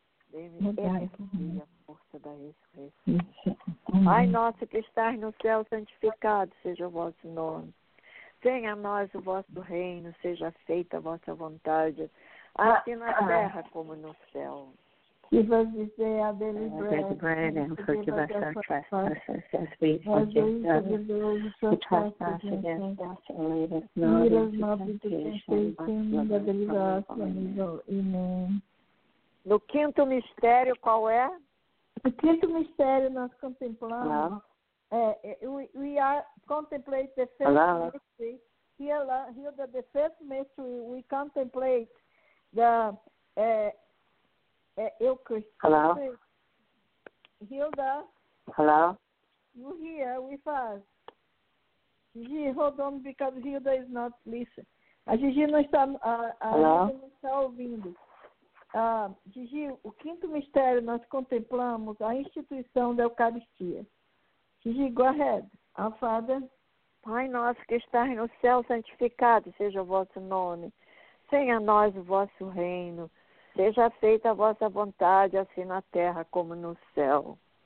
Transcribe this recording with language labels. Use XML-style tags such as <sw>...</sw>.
<pt>Dê-me energia, força da ressurreição. Pai nosso que estás no céu, santificado seja o vosso nome. Venha a nós o vosso reino, seja feita a vossa vontade, assim na terra como no céu.</pt> <en>Give us this day our daily bread, and forgive us our trespasses, as we forgive those who trespass against us, and lead us not into temptation, but deliver us from evil. Amen.</en> <pt>No quinto mistério, qual é? O quinto mistério nós contemplamos. Não.</pt> <en>We are contemplate the first mystery. Here the first mystery we contemplate the Eucharist. Hello. Hilda. Hello. You here with us? Gigi, hold on because Hilda is not listening.</en> <pt>A Gigi não está ouvindo. Gigi, o quinto mistério nós contemplamos a instituição da Eucaristia.</pt> <en>Gigi, go ahead. Alfada.</en> <pt>Pai nosso que estás no céu, santificado seja o vosso nome. Venha a nós o vosso reino. Seja feita a vossa vontade, assim na terra como no céu.</pt>